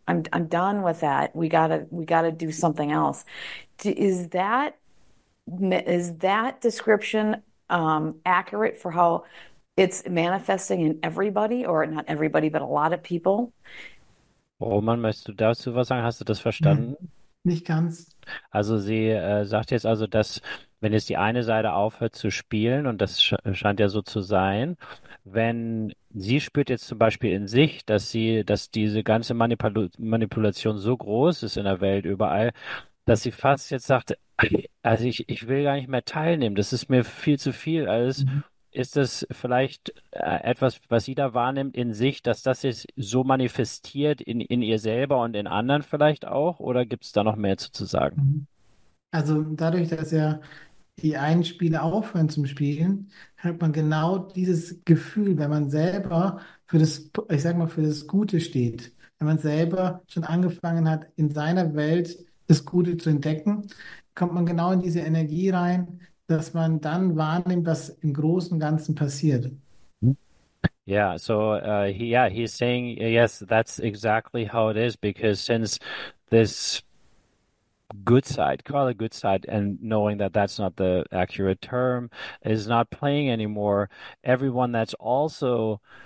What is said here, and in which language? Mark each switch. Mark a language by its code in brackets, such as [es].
[en] I'm done with that. We gotta do something else. Is that description accurate for how it's manifesting in everybody, or not everybody, but a lot of people? [de] Roman, möchtest du dazu was sagen? Hast du das verstanden? Nicht ganz. Also sie sagt jetzt also, dass wenn jetzt die eine Seite aufhört zu spielen, und das scheint ja so zu sein, wenn sie spürt jetzt zum Beispiel in sich, dass diese ganze Manipulation so groß ist in der Welt überall, dass sie fast jetzt sagt, also ich will gar nicht mehr teilnehmen, das ist mir viel zu viel alles. Ist das vielleicht etwas, was sie da wahrnimmt in sich, dass das jetzt so manifestiert in ihr selber und in anderen vielleicht auch? Oder gibt es da noch mehr zu sagen? Also dadurch, dass ja die einen Spieler aufhören zum Spielen, hat man genau dieses Gefühl, wenn man selber für das, ich sag mal, für das Gute steht, wenn man selber schon angefangen hat, in seiner Welt das Gute zu entdecken, kommt man genau in diese Energie rein, dass man dann wahrnimmt, was im Großen und Ganzen passiert. [en] Yeah, so he's saying yes, that's exactly how it is, because since this good side, call it good side, and knowing that that's not the accurate term, is not playing anymore, everyone that's also